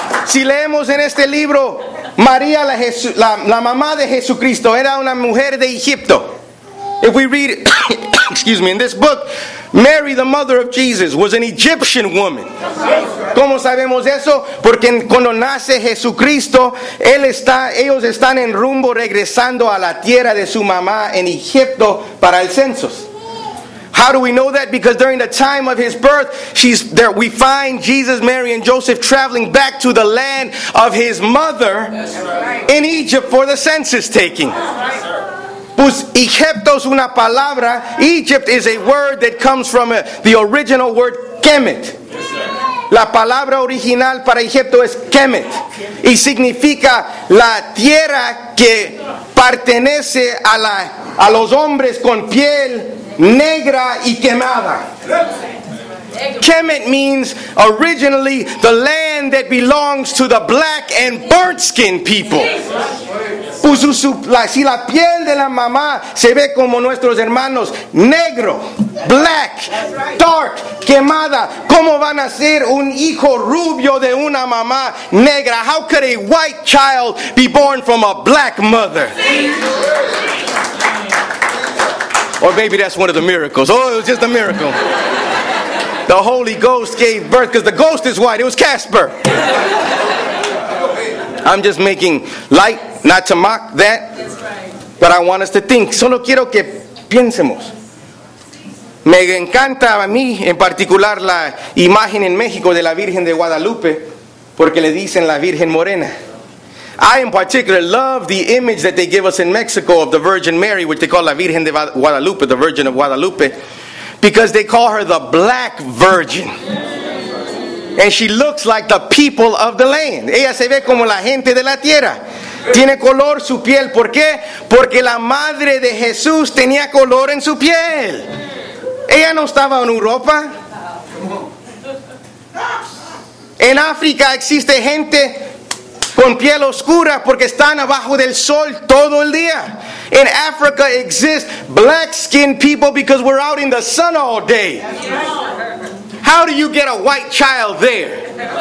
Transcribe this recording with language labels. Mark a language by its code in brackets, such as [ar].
[es] Si leemos en este libro, María, la mamá de Jesucristo, era una mujer de Egipto. [en] If we read, excuse me, in this book, Mary, the mother of Jesus, was an Egyptian woman. [es] ¿Cómo sabemos eso? Porque cuando nace Jesucristo, ellos están en rumbo regresando a la tierra de su mamá en Egipto para el censo. [en] How do we know that? Because during the time of his birth, she's there. We find Jesus, Mary, and Joseph traveling back to the land of his mother in Egypt for the census taking. [es] Pues Egipto es una palabra. [en] Egypt is a word that comes from the original word Kemet. [es] La palabra original para Egipto es Kemet. Y significa la tierra que pertenece a los hombres con piel negra y quemada. [en] Kemet means originally the land that belongs to the black and burnt skin people. [es] Si la piel de la mamá se ve como nuestros hermanos, negro, [en] black, dark, [es] quemada, ¿cómo van a ser un hijo rubio de una mamá negra? [en] How could a white child be born from a black mother? Or maybe that's one of the miracles. Oh, it was just a miracle. The Holy Ghost gave birth, because the ghost is white. It was Casper. I'm just making light, not to mock that, but I want us to think. [es] Solo quiero que piensemos. Me encanta a mí, en particular, la imagen en México de la Virgen de Guadalupe, porque le dicen la Virgen Morena. [en] I, in particular, love the image that they give us in Mexico of the Virgin Mary, which they call la Virgen de Guadalupe, the Virgin of Guadalupe, because they call her the Black Virgin. And she looks like the people of the land. [es] Ella se ve como la gente de la tierra. Tiene color su piel. ¿Por qué? Porque la madre de Jesús tenía color en su piel. Ella no estaba en Europa. En África existe gente con piel oscura porque están abajo del sol todo el día. [en] In Africa exist black skinned people because we're out in the sun all day. How do you get a white child there?